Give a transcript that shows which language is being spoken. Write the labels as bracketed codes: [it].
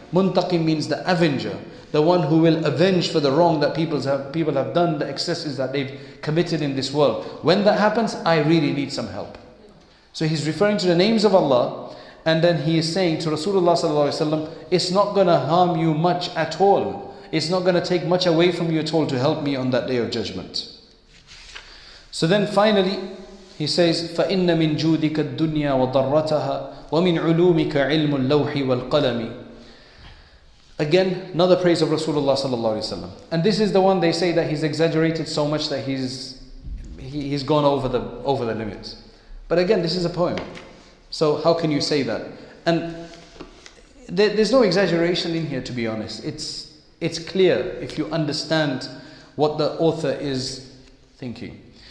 [en] Muntaqim means the avenger, the one who will avenge for the wrong that people have done, the excesses that they've committed in this world. When that happens, I really need some help. So he's referring to the names of Allah, and then he is saying to Rasulullah sallallahu alaihi wasallam, it's not going to harm you much at all. It's not going to take much away from you at all to help me on that day of judgment. So then finally, he says, [ar] فَإِنَّ مِن جُودِكَ الدُّنْيَا وَضَرَّتَهَا وَمِنْ عُلُومِكَ عِلْمُ اللَّوْحِ وَالْقَلَمِ. [en] Again, another praise of Rasulullah sallallahu alaihi wasallam. And this is the one they say that he's exaggerated so much that he's gone over the limits. But again, this is a poem. So how can you say that? And there's no exaggeration in here, to be honest. It's clear if you understand what the author is thinking.